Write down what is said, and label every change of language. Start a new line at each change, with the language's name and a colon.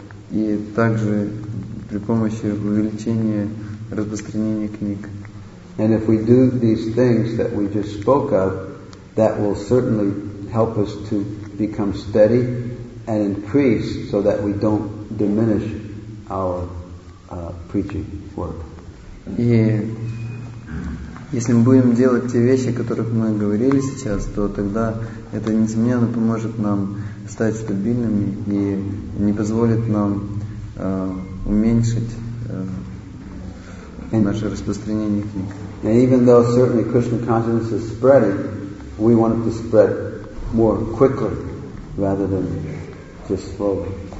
Russian: И также при помощи увеличения распространения книг.
English: And if we do these things that we just spoke of, that will certainly help us to become steady and increase so that we don't diminish our preaching work.
Russian: И если мы будем делать те вещи, о которых мы говорили сейчас, то тогда это несомненно поможет нам стать стабильными и не позволит нам уменьшить наше распространение книг.
English: And even though certainly Krishna consciousness is spreading, we want it to spread more quickly rather than just slowly.